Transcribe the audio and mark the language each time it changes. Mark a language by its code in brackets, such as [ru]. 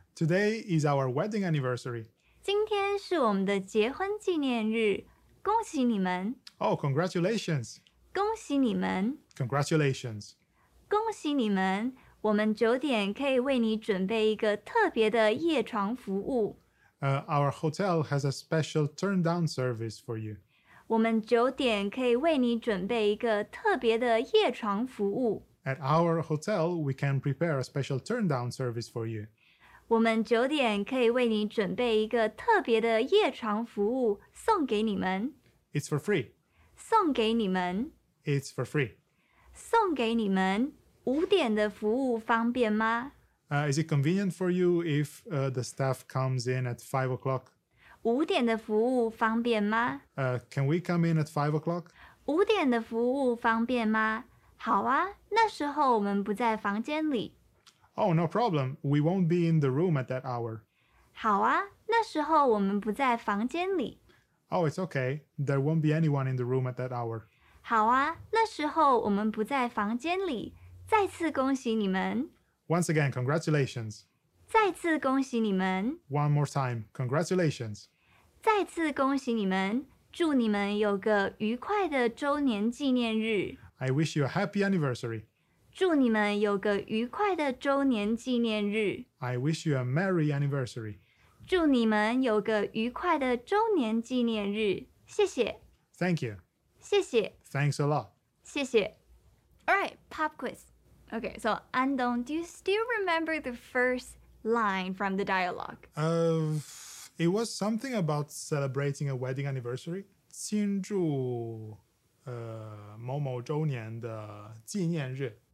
[en] Today is our wedding anniversary. [zh] 今天是我们的结婚纪念日。恭喜你们。 [en] Oh, congratulations. [zh] 恭喜你们。 [en] Congratulations. [zh] 恭喜你们。我们九点可以为你准备一个特别的夜床服务。 [en] Our hotel has a special turndown service for you. [zh] 我们九点可以为你准备一个特别的夜床服务。 [en] At our hotel, we can prepare a special turndown service for you. [zh] 我们九点可以为你准备一个特别的夜床服务送给你们。 [en] It's for free. [zh] 送给你们。 [en] It's for free. [zh] 送给你们。五点的服务方便吗? [en] Is it convenient for you if the staff comes in at 5 o'clock? [zh] 五点的服务方便吗? [en] Can we come in at 5 o'clock? [zh] 五点的服务方便吗? 好啊,那时候我们不在房间里。 [en] Oh, no problem. We won't be in the room at that hour. [zh] 好啊,那时候我们不在房间里。 [en] Oh, it's okay. There won't be anyone in the room at that hour. [zh] 好啊,那时候我们不在房间里。再次恭喜你们。 [en] Once again, congratulations. [zh] 再次恭喜你们。 [en] One more time, congratulations. [zh] 再次恭喜你们。祝你们有个愉快的周年纪念日。 [en] I wish you a happy anniversary. [zh] 祝你们有个愉快的周年纪念日。 [en] I wish you a merry anniversary. [zh] 祝你们有个愉快的周年纪念日。谢谢。 [en] Thank you. [zh] 谢谢。 [en] Thanks a lot. [zh] 谢谢。 [en] Alright, pop quiz. Okay, so Andong, do you still remember the first line from the dialogue? It was something about celebrating a wedding anniversary. [zh] 庆祝某某周年的纪念日。